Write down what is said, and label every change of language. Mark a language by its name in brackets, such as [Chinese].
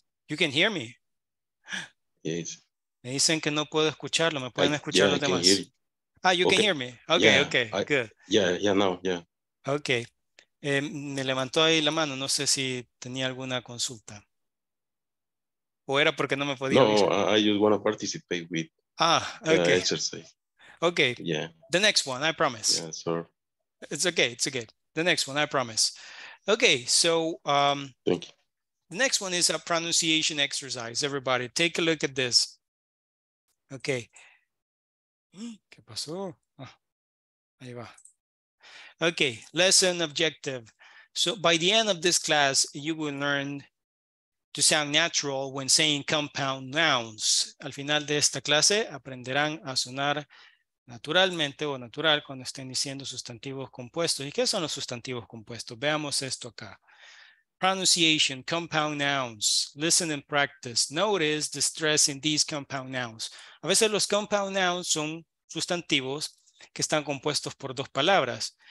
[English] You can hear me? Yes. [Spanish] Me dicen que no puedo escucharlo, me pueden escuchar los demás. [English] You can hear me. Okay, yeah, okay, good. Yeah. Okay. [Spanish] Me levantó ahí la mano, no sé si tenía alguna consulta. O era porque no me podía. No, escuchar. [English] I just want to participate with okay. Exercise. Okay. Yeah. The next one, I promise. Yeah, sorry. It's okay. The next one, I promise. Okay, so thank you. The next one is a pronunciation exercise. Everybody, take a look at this. Okay. [Spanish] ¿Qué pasó? Ahí va. [English] Okay, lesson objective. So by the end of this class, you will learn to sound natural when saying compound nouns. [Spanish] Al final de esta clase, aprenderán a sonar naturalmente o natural cuando estén diciendo sustantivos compuestos. ¿Y qué son los sustantivos compuestos? Veamos esto acá. [English] Pronunciation, compound nouns, listen and practice. Notice the stress in these compound nouns. [Spanish] A veces los compound nouns son sustantivos que están compuestos por dos palabras.